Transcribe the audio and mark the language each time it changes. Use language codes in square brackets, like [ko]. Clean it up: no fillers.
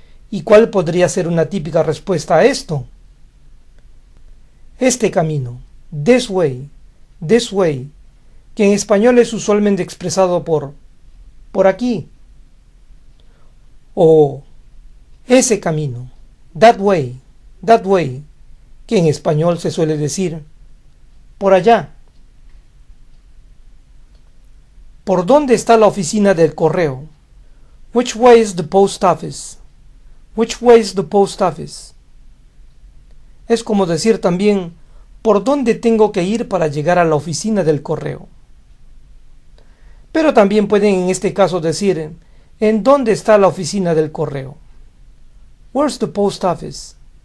[es] ¿Y cuál podría ser una típica respuesta a esto? Este camino, [en] this way, this way, [es] que en español es usualmente expresado por aquí, o ese camino, [en] that way, [es] que en español se suele decir por allá. ¿Por dónde está la oficina del correo? [en] Which way is the post office? Which way is the post office? [es] Es como decir también, ¿por dónde tengo que ir para llegar a la oficina del correo? Pero también pueden en este caso decir, ¿en dónde está la oficina del correo? [en] Where's the post office?